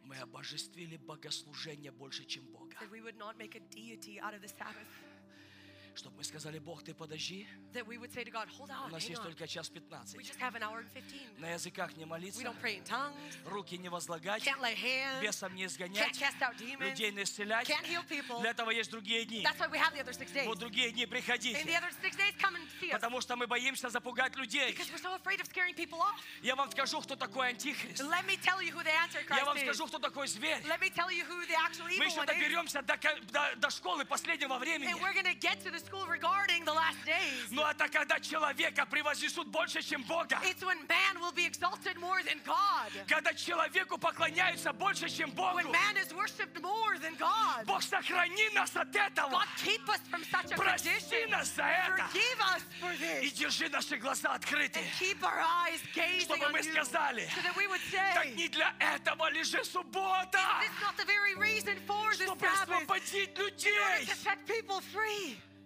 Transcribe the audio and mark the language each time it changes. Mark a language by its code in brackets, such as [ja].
[ru] мы обожествили богослужение больше, чем Бога. [en] That we would not make a deity out of the Sabbath. [ru] Чтобы мы сказали, Бог, ты подожди. [en] That we would say to God, hold on, [ru] У нас есть [en] on. [ru] Только час 15. [en] We just have an hour and 15. [ru] На языках не молиться. [en] We don't pray in tongues. [ru] Руки не возлагать. [en] Can't lay hands. [ru] Бесом не изгонять. [en] Can't cast out demons. [ru] Людей не исцелять. [en] Can't heal people. [ru] Для этого есть другие дни. [en] That's why we have the other 6 days. [ru] Вот другие дни приходите. [en] In the other 6 days, come and see us. [ru] Потому что мы боимся запугать людей. [en] Because we're so afraid of scaring people off. [ru] Я вам скажу, кто такой антихрист. [en] Let me tell you who the antichrist is. [ru] Я вам скажу, кто такой зверь. [en] Let me tell you who the actual evil one is. [ru] Мы еще доберемся до школы последнего времени. [en] And we're gonna get to the school regarding the last days. [ru] Но это когда человека превознесут больше, чем Бога. [en] It's when man will be exalted more than God. [ru] Когда человеку поклоняются больше, чем Богу. [en] When man is worshipped more than God. [ru] Бог сохрани нас от этого. [en] God keep us from such a [ru] Прости [en] condition. [ru] Нас за это. [en] Forgive us for this. [ru] И держи наши глаза открыты. [en] And keep our eyes gazing [ru] Чтобы мы [en] on [ru] сказали, [en] you. So that we would say. [ru] Так не для этого лежит суббота. [en] Is this not the very reason for this [ru] Чтобы [en] Sabbath? [ru] Освободить людей. [en] In order to set people free.